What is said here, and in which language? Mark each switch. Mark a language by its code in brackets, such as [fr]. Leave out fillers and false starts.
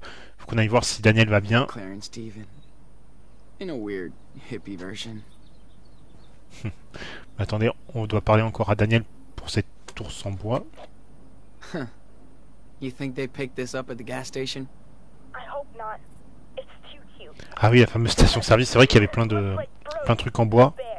[fr] Il faut qu'on aille voir si Daniel va bien. [en] Claire and Steven. In a weird hippie version. [fr] Mais attendez, on doit parler encore à Daniel pour cette tour sans bois. [en] You think they picked this up at the gas station? I hope not. It's too cute. [fr] Ah oui, la fameuse station service, c'est vrai qu'il y avait plein de trucs en bois.